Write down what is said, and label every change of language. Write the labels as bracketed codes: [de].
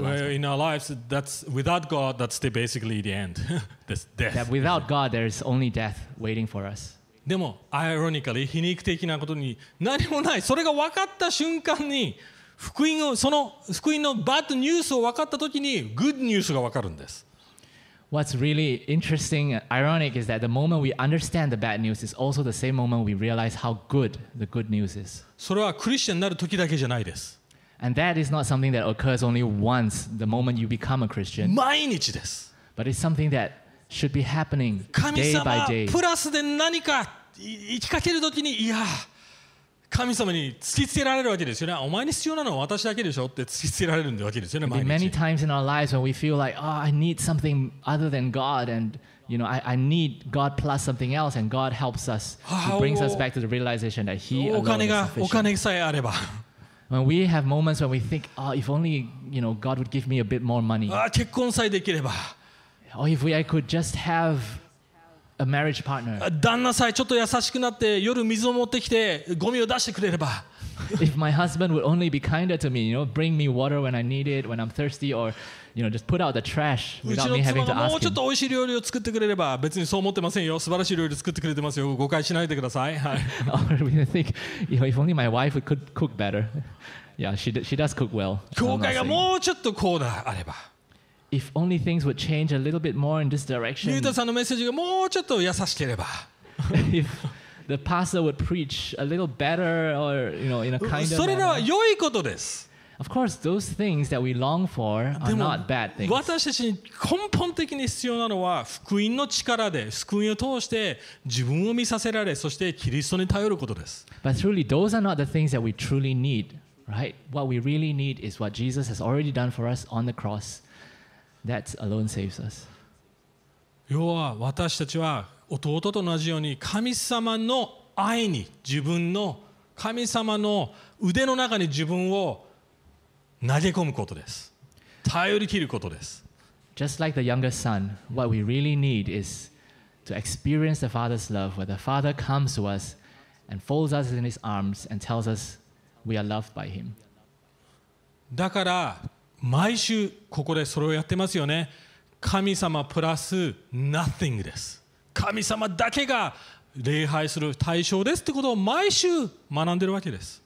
[en] In our lives, that's without God, that's basically the end. That's death. That without God, there is only death waiting for us. [ja] でも、 [en] ironically, [ja] 皮肉的なことに何もない。それが分かった瞬間に、その福音のバッドニュースを分かったときに、 [en] good news [ja] が分かるんです。 [en] What's really interesting, ironic, is that the moment we understand the bad news is also the same moment we realize how good the good news is. [ja] それはクリスチャンになる時だけじゃないです。 [en] And that is not something that occurs only once, the moment you become a Christian. [ja] 毎日です。 [en] But it's something that should be happening day by day. [ja] 神様プラスで何か生きかける時に、いや、神様に突きつけられるわけですよね。お前に必要なのは私だけでしょって突きつけられるわけですよね。毎日。 [en] Many times in our lives when we feel like, oh, I need something other than God, and you know, I need God plus something else, and God helps us. He brings us back to the realization that He alone is sufficient. [ja] お金さえあれば。 [en] When we have moments when we think, oh, if only you know, God would give me a bit more money. [ja] 結婚さえできれば。 [en] Or if I could just have. A marriage partner. [ja] 旦那さえちょっと優しくなって夜水を持ってきてゴミを出してくれれば。 [en] If my husband would only be kinder to me, you know, bring me water when I need it, when I'm thirsty, or you know, just put out the trash without me having to ask him. [ja] もうちょっと美味しい料理を作ってくれれば、別にそう思ってませんよ。素晴らしい料理作ってくれてますよ。誤解しないでください。 [en] Or we think, you know, if only my wife could cook better. Yeah, she does cook well. [ja] 教会がもうちょっとこうだあれば。 [en] If only things would change a little bit more in this direction. [ja] ユータさんのメッセージがもうちょっと優しければ。 [en] If the pastor would preach a little better or, you know, in a kinder manner. [ja] それらは良いことです。 [en] Of course, those things that we long for are not bad things. [ja] でも私たちに根本的に必要なのは福音の力で、福音を通して自分を見させられ、そしてキリストに頼ることです。 [en] But truly, those are not the things that we truly need, right? What we really need is what Jesus has already done for us on the cross. That alone saves us. [ja] 要は私たちは弟と同じように神様の愛に自分の神様の腕の中に自分を投げ込むことです。頼り切ることです。 [en] Just like the younger son, what we really need is to experience the father's love, where the father comes to us and folds us in his arms and tells us we are loved by him. [ja] だから毎週ここでそれをやってますよね。神様プラス [en] nothing [ja] です。神様だけが礼拝する対象ですってことを毎週学んでるわけです。